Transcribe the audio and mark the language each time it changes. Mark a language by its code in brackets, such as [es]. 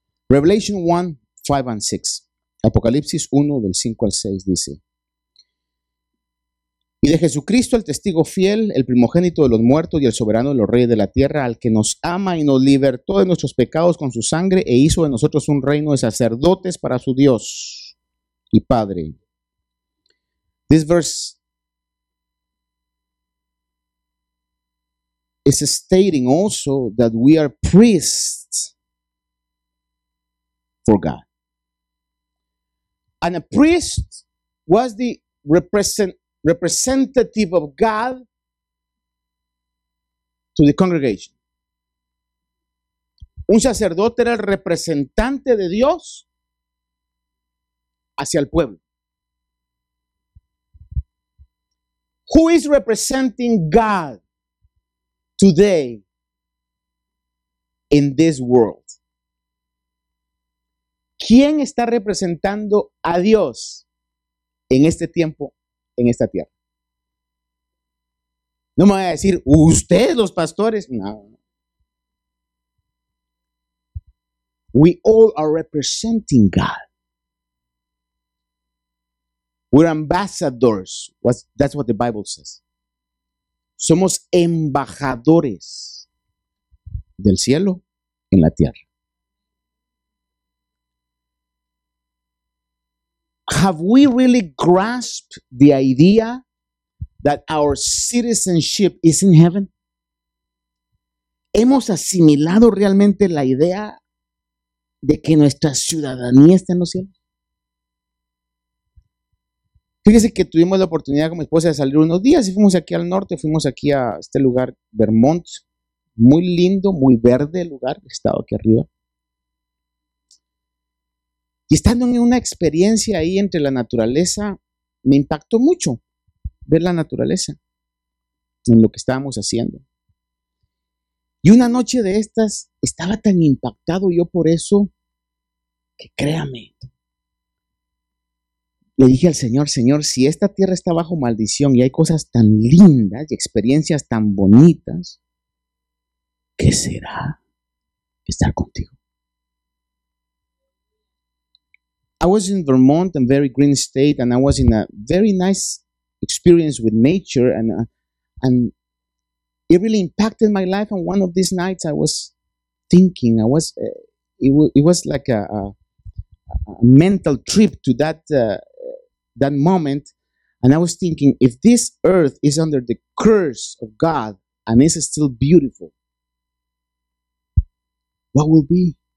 [en] Revelation 1, 5 and 6. [es] Apocalipsis 1, del 5 al 6 dice: y de Jesucristo, el testigo fiel, el primogénito de los muertos y el soberano de los reyes de la tierra, al que nos ama y nos libertó de nuestros pecados con su sangre e hizo de nosotros un reino de sacerdotes para su Dios y Padre. [en] This verse is stating also that we are priests for God. And a priest was the representative of God to the congregation. [es] Un sacerdote era el representante de Dios hacia el pueblo. [en] Who is representing God today in this world? [es] ¿Quién está representando a Dios en este tiempo, en esta tierra? No me voy a decir, ustedes los pastores. No. [en] We all are representing God. We're ambassadors. That's what the Bible says. [es] Somos embajadores del cielo en la tierra. [en] Have we really grasped the idea that our citizenship is in heaven? [es] ¿Hemos asimilado realmente la idea de que nuestra ciudadanía está en los cielos? Fíjese que tuvimos la oportunidad con mi esposa de salir unos días y fuimos aquí al norte, fuimos aquí a este lugar, Vermont, muy lindo, muy verde el lugar, he estado aquí arriba. Y estando en una experiencia ahí entre la naturaleza, me impactó mucho ver la naturaleza en lo que estábamos haciendo. Y una noche de estas, estaba tan impactado yo por eso, que créame, le dije al Señor: Señor, si esta tierra está bajo maldición y hay cosas tan lindas y experiencias tan bonitas, ¿qué será estar contigo? [en] I was in Vermont, a very green state, and I was in a very nice experience with nature, and it really impacted my life. And one of these nights, I was thinking, it was like a mental trip to that moment, and I was thinking, if this earth is under the curse of God and is still beautiful, what will be?